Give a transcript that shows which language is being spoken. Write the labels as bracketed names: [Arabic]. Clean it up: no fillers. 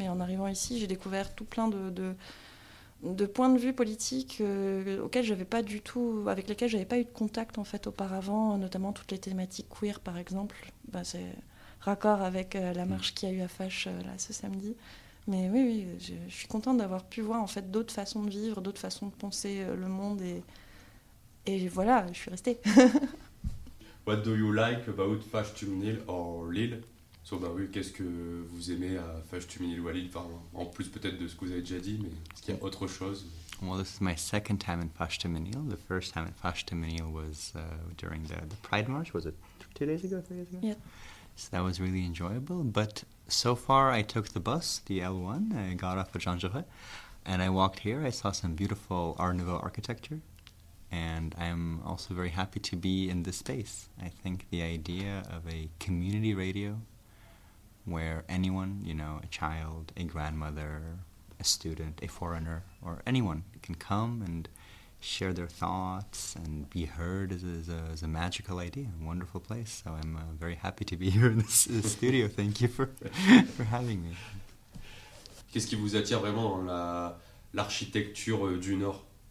[French] Et en arrivant ici, j'ai découvert tout plein de points de vue politiques auxquels j'avais pas du tout, avec lesquels j'avais pas eu de contact en fait auparavant, notamment toutes les thématiques queer par exemple. Ben, c'est raccord avec la marche qu'il y a eu à Fache là ce samedi. Mais oui, je suis contente d'avoir pu voir en fait d'autres façons de vivre, d'autres façons de penser le monde et voilà, je suis restée. [English] What do you like about Fache Thumnil or Lille? [French] So, bah oui, qu'est-ce que vous aimez à Fache Thumnil ou à Lille? Enfin, en plus peut-être de ce que vous avez déjà dit, mais est-ce qu'il y a autre chose? [English] Well, this is my second time in Fache Thumnil. The first time in Fache Thumnil was during the Pride March, was it 2 days ago, 3 days ago? Yeah. So that was really enjoyable. But so far I took the bus, the L1, I got off at Jean Jaurès, and I walked here. I saw some beautiful Art Nouveau architecture. And I'm also very happy to be in this space. I think the idea of a community radio where anyone, you know, a child, a grandmother, a student, a foreigner, or anyone can come and share their thoughts and be heard is a magical idea, a wonderful place. So I'm very happy to be here in this studio. Thank you for having me. [French] Qu'est-ce qui vous attire vraiment dans l'architecture du Nord?